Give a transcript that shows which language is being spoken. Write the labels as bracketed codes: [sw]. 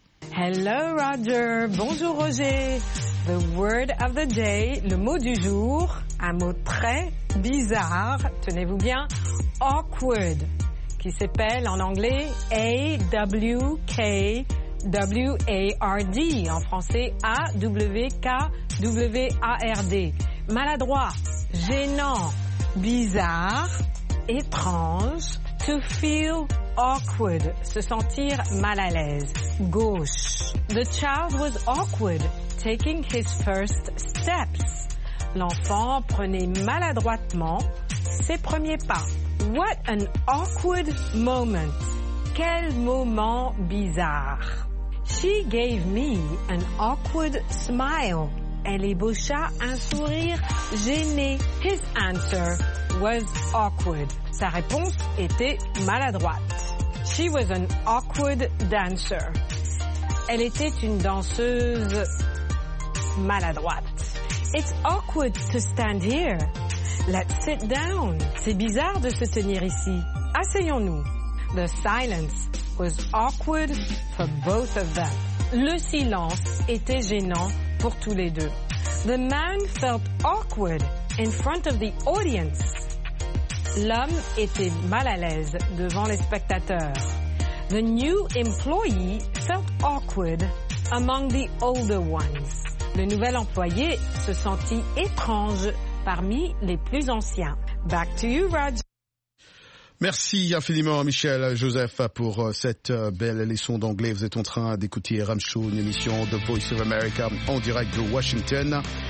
[en] Hello Roger, [fr] bonjour Roger. [en] The word of the day, [fr] le mot du jour, un mot très bizarre, tenez-vous bien, awkward, qui s'appelle en anglais A-W-K-W-A-R-D, en français A-W-K-W-A-R-D. Maladroit, gênant, bizarre, étrange, [en] to feel awkward, [fr] se sentir mal à l'aise, gauche. [en] The child was awkward, taking his first steps. [fr] L'enfant prenait maladroitement ses premiers pas. [en] What an awkward moment. [fr] Quel moment bizarre. [en] She gave me an awkward smile. [fr] Elle ébaucha un sourire gêné. [en] His answer was awkward. [fr] Sa réponse était maladroite. [en] She was an awkward dancer. [fr] Elle était une danseuse maladroite. [en] It's awkward to stand here. Let's sit down. [fr] C'est bizarre de se tenir ici. Asseyons-nous. [en] The silence was awkward for both of them. [fr] Le silence était gênant pour tous les deux. [en] The man felt awkward in front of the audience. [fr] L'homme était mal à l'aise devant les spectateurs. [en] The new employee felt awkward among the older ones. [fr] Le nouvel employé se sentit étrange parmi les plus anciens. [en] Back to you, Roger. [fr] Merci infiniment, Michel Joseph, pour cette belle leçon d'anglais. Vous êtes en train d'écouter RM Show, une émission de Voice of America en direct de Washington.